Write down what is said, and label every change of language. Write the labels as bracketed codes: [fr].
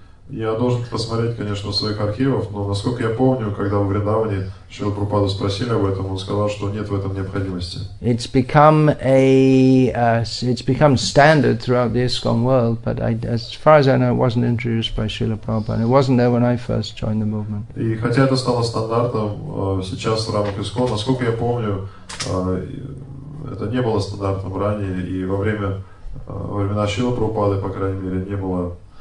[ru] Я должен посмотреть, конечно, в своих архивах, но насколько я помню, когда в Вриндаване Шрила Прабхупаду спросили об этом, он сказал, что нет в этом необходимости. [en] It's become standard throughout the ISKCON world, but as far as I know, it wasn't introduced by Srila Prabhupada. It wasn't there when I first joined the movement. [ru] И хотя это стало стандартом сейчас в рамках ISKCON, насколько я помню, это не было стандартом ранее, и во времена Шрила Прабхупады, по крайней мере, не было